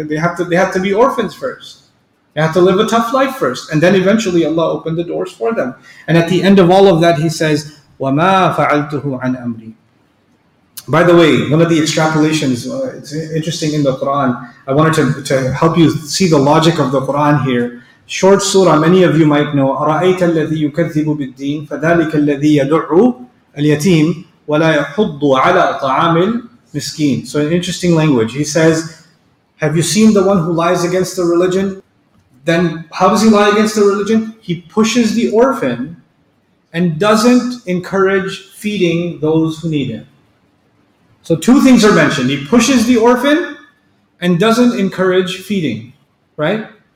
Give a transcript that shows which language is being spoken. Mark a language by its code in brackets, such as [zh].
[en] They have to be orphans first. They have to live a tough life first. And then eventually Allah opened the doors for them. And at the end of all of that, He says, [ar] وَمَا فَعَلْتُهُ عَنْ أَمْرِي. [en] By the way, one of the extrapolations, it's interesting in the Quran. I wanted to help you see the logic of the Quran here. Short surah, many of you might know, [ar] أَرَأَيْتَ الَّذِي يُكَذِّبُ بِالدِّينِ فَذَلِكَ الَّذِي يَدُعُّ الْيَتِيمِ وَلَا يَحُضُّ عَلَىٰ طَعَامِ الْمِسْكِينِ. [en] So an interesting language. He says, have you seen the one who lies against the religion? Then how does he lie against the religion? He pushes the orphan and doesn't encourage feeding those who need it. So two things are mentioned. He pushes the orphan and doesn't encourage feeding, right?